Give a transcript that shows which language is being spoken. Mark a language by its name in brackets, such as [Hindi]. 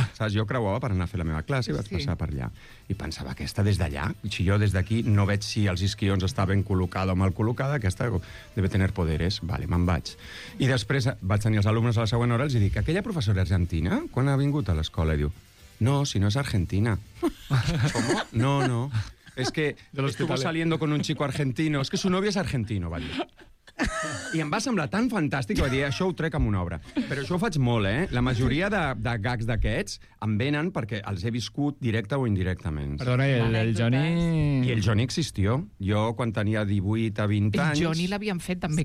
[Catalan] Saps, jo creuava per anar a fer la meva classe i vaig passar per allà. I pensava, aquesta des d'allà? Si jo des d'aquí no veig si els isquions està ben col·locada o mal col·locada, aquesta [Spanish] debe tener poderes. [Catalan] Vale, me'n vaig. I després vaig tenir els alumnes a la següent hora i els dic, aquella professora argentina, quan ha vingut a l'escola? I diu, no, si no és argentina. [Spanish] ¿Cómo? No. [Catalan] És que [Spanish] estuvo saliendo con un chico argentino. [Catalan] És que [Spanish] su novio es argentino, [Catalan] va dir. I em va semblar tan fantàstic que va dir, això ho trec amb una obra. Però això ho faig molt, eh? La majoria de gags d'aquests em venen perquè els he viscut directe o indirectament. Perdona, el Johnny... I el Johnny existió. Jo, quan tenia 18 a 20 anys... El Johnny l'havien fet també,